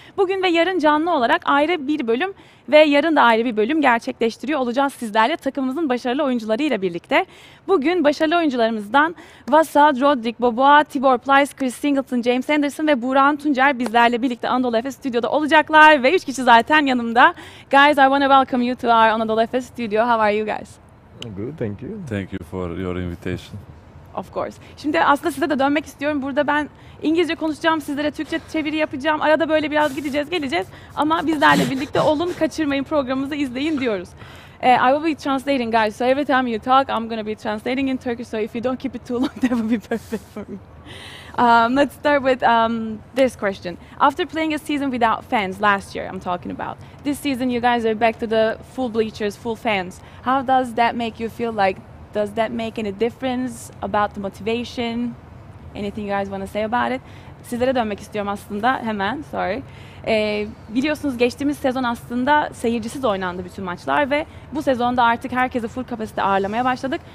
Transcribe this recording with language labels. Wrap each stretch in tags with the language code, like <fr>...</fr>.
<tr>Bugün ve yarın canlı olarak ayrı bir bölüm ve yarın da ayrı bir bölüm gerçekleştiriyor olacağız sizlerle takımımızın başarılı oyuncularıyla birlikte. Bugün başarılı oyuncularımızdan Vassad, Rodrik, Boboa, Tibor Plyce, Chris Singleton, James Anderson ve Burhan Tuncer bizlerle birlikte Anadolu Efes Stüdyo'da olacaklar ve 3 kişi zaten yanımda.</tr> <en>Guys, I want to welcome you to our Anadolu Efes Studio. How are you guys? Good, thank you. Thank you for your invitation. Of course.</en> <tr>Şimdi aslında size de dönmek istiyorum. Burada ben İngilizce konuşacağım, sizlere Türkçe çeviri yapacağım. Arada böyle biraz gideceğiz, geleceğiz. Ama bizlerle birlikte olun, kaçırmayın, programımızı izleyin diyoruz.</tr> <en>I will be translating, guys. So every time you talk, I'm going to be translating in Turkish. So if you don't keep it too long, that would be perfect for me. Let's start with this question. After playing a season without fans last year, I'm talking about, this season you guys are back to the full bleachers, full fans. How does that make you feel like? Does that make any difference about the motivation? Anything you guys want to say about it?</en> <tr>Sizlere dönmek istiyorum aslında hemen, sorry. Biliyorsunuz geçtiğimiz sezon aslında seyircisiz oynandı bütün maçlar ve bu sezonda artık herkesi full kapasite ağırlamaya başladık.</tr>